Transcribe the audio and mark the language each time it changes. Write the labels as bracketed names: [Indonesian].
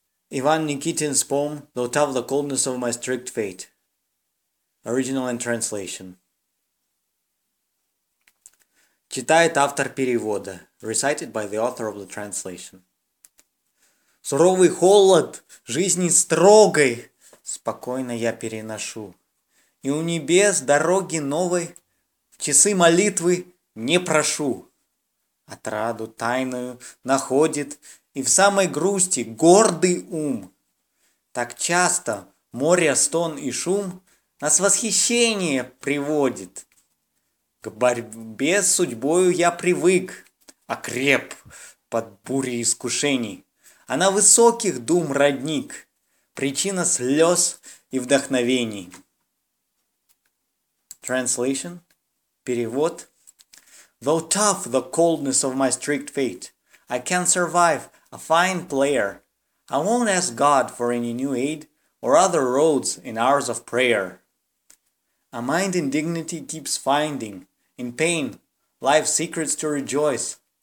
[English] Иван Никитин's poem «Though tough the coldness of my strict fate». Original and translation. [Russian] Читает автор перевода. [English] Recited by the author of the translation. [Russian] Суровый холод жизни строгой спокойно я переношу. И у небес дороги новой в часы молитвы не прошу. Отраду тайную находит и в самой грусти гордый ум. Так часто море, стон и шум нас восхищение приводит. К борьбе с судьбою я привык, окреп под бурей искушений. А на высоких дум родник, причина слез и вдохновений. [English] Translation, [Russian] перевод. [English] Though tough the coldness of my strict fate, I can survive a fine player. I won't ask God for any new aid or other roads in hours of prayer. A mind in dignity keeps finding, in pain, life's secrets to rejoice.